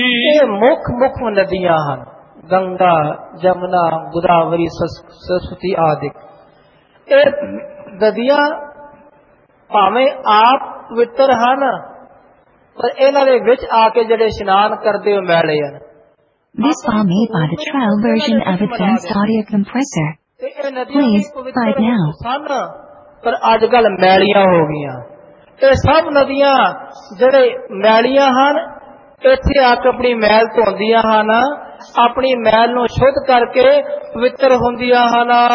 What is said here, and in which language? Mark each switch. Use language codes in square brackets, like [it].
[pa] ਇਹ ਮੁੱਖ ਮੁੱਖ ਨਦੀਆਂ ਹਨ, ਗੰਗਾ ਜਮਨਾ ਗੋਦਾਵਰੀ ਸਰਸਤੀ ਆਦਿ। ਇਹ ਨਦੀਆਂ ਭਾਵੇਂ ਆਪ ਪਵਿੱਤਰ ਹਨ, ਪਰ ਇਹਨਾਂ ਦੇ ਵਿੱਚ ਆ ਕੇ ਜਿਹੜੇ ਇਸ਼ਨਾਨ ਕਰਦੇ ਉਹ ਮੈਲੇ ਹਨ। [en] This file made by the trial version of advanced audio compressor. Please, right now. [pa] ਪਰ ਅੱਜ ਕੱਲ ਮੈਲੀਆਂ ਹੋ ਗਈਆਂ, ਇਹ ਸਭ ਨਦੀਆਂ ਜਿਹੜੇ ਮੈਲੀਆਂ ਹਨ, ਇੱਥੇ ਆ ਕੇ ਆਪਣੀ ਮੈਲ ਧੋਂਦੀਆਂ ਹਨ, ਆਪਣੀ ਮੈਲ ਨੂੰ ਸ਼ੁੱਧ ਕਰਕੇ ਪਵਿੱਤਰ ਹੁੰਦੀਆਂ ਹਨ।